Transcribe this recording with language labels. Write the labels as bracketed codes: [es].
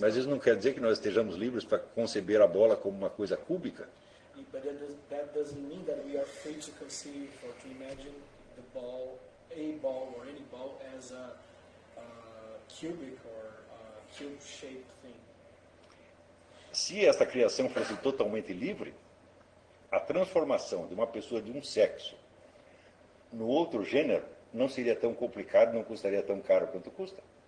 [pt] Mas isso não quer dizer que nós estejamos livres para conceber a bola como uma coisa cúbica. [en] But that doesn't mean that we are free to conceive or to imagine the ball, a ball or any ball, as a cubic or cube-shaped thing. [pt] Se esta criação fosse totalmente livre, a transformação de uma pessoa de um sexo no outro gênero não seria tão complicado, não custaria tão caro quanto custa.